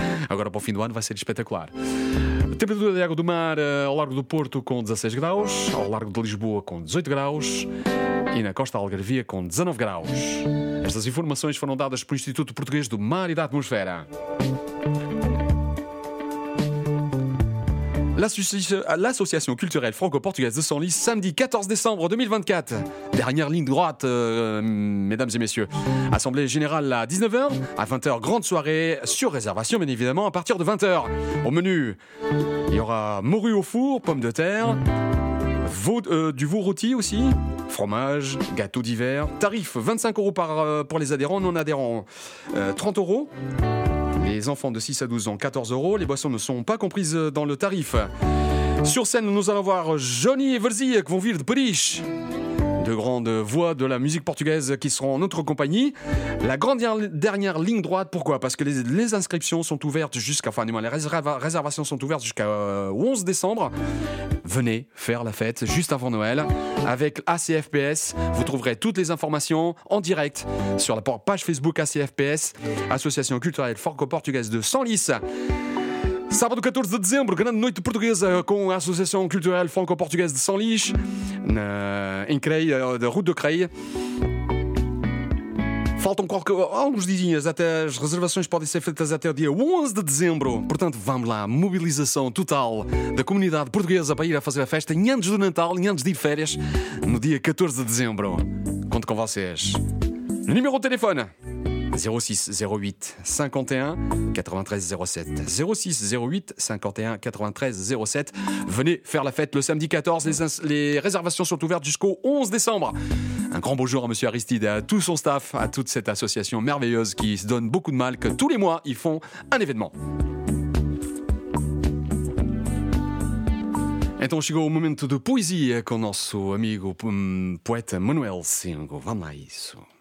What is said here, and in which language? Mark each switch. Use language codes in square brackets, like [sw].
[pt] Agora para o fim do ano vai ser espetacular. Temperatura de água do mar ao largo do Porto com 16 graus. Ao largo de Lisboa com 18 graus. E na Costa Algarvia com 19 graus. Estas informações foram dadas pelo Instituto Português do Mar e da Atmosfera. [fr] L'association culturelle franco-portugaise de Senlis, samedi 14 décembre 2024. Dernière ligne droite, mesdames et messieurs. Assemblée générale à 19h, à 20h, grande soirée, sur réservation bien évidemment, à partir de 20h. Au menu, il y aura morue au four, pommes de terre, du veau rôti aussi, fromage, gâteau d'hiver. Tarif, 25 euros pour les adhérents, non adhérents, 30 euros. Les enfants de 6 à 12 ans, 14 euros. Les boissons ne sont pas comprises dans le tarif. Sur scène, nous allons voir Johnny et Verzia qui vont vivre de Paris. De grandes voix de la musique portugaise qui seront en notre compagnie. La grande dernière ligne droite, pourquoi ? Parce que les inscriptions sont ouvertes jusqu'à... Enfin, les réservations sont ouvertes jusqu'à 11 décembre. Venez faire la fête juste avant Noël avec ACFPS. Vous trouverez toutes les informations en direct sur la page Facebook ACFPS, Association culturelle franco-portugaise de Senlis. [pt] Sábado 14 de dezembro, grande noite portuguesa com a Associação Culturelle Franco-Portuguesa de Senlis, em Creil, da Rua de Creil. Faltam alguns dias até as reservações podem ser feitas até o dia 11 de dezembro. Portanto, vamos lá, mobilização total da comunidade portuguesa para ir a fazer a festa em antes do Natal, em antes de ir de férias, no dia 14 de dezembro. Conto com vocês. Número de telefone: 06 08 51 93 07. 06 08 51 93 07. [fr] Venez faire la fête le samedi 14. Les réservations sont ouvertes jusqu'au 11 décembre. Un grand bonjour à M. Aristide et à tout son staff, à toute cette association merveilleuse qui se donne beaucoup de mal, que tous les mois, ils font un événement. [pt] Então chegou o momento de poesia com o nosso amigo poeta Manuel Singo. Vamos lá, isso.